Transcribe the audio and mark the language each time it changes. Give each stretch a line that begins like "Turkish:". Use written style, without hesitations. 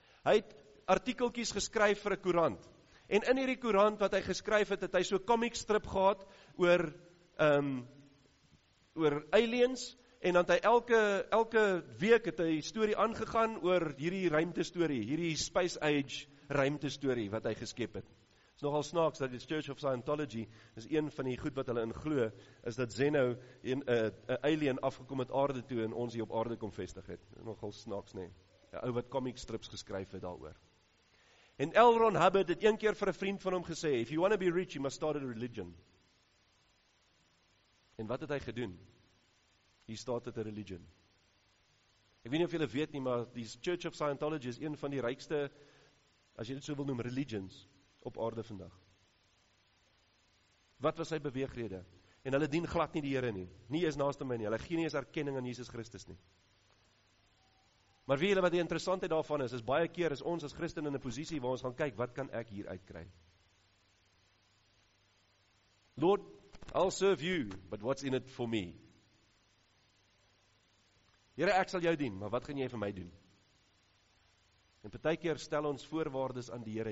Afrikaans: Hy het artikeltjies geskryf vir 'n koerant, en in hierdie koerant wat hy geskryf het, het hy so comic strip gehad, oor aliens, en dan het hy elke week het hy story aangegaan oor hierdie ruimte story, hierdie space age ruimte story wat hy geskep het. Het is nogal snaaks dat die Church of Scientology is een van die goed wat hulle inglo, is dat Zeno een alien afgekom het aarde toe en ons hier op aarde kom vestig het. Nogal snaaks nie. Een ou wat comic strips geskryf het daar oor. En L. Ron Hubbard het een keer vir 'n vriend van hom gesê,
English: if you want to be rich, you must start a religion.
Afrikaans: En wat het hy gedoen? Hier staat het 'n religion. Ek weet nie of julle weet nie, maar die Church of Scientology is een van die rykste, as jy dit so wil noem, religions op aarde vandag. Wat was sy beweegrede? En hulle dien glad nie die Here nie. Nie eens naaste my nie. Hulle gee nie eens erkenning aan Jesus Christus nie. Maar weet julle wat die interessantheid daarvan is? Is baie keer is ons as Christen in 'n posisie waar ons gaan kyk, wat kan ek hier uitkry?
English: Lord, I'll serve you, but what's in it for me?
Afrikaans: Here, ek sal jou dien, maar wat gaan jy vir my doen? En partykeer stel ons voorwaardes aan die Here.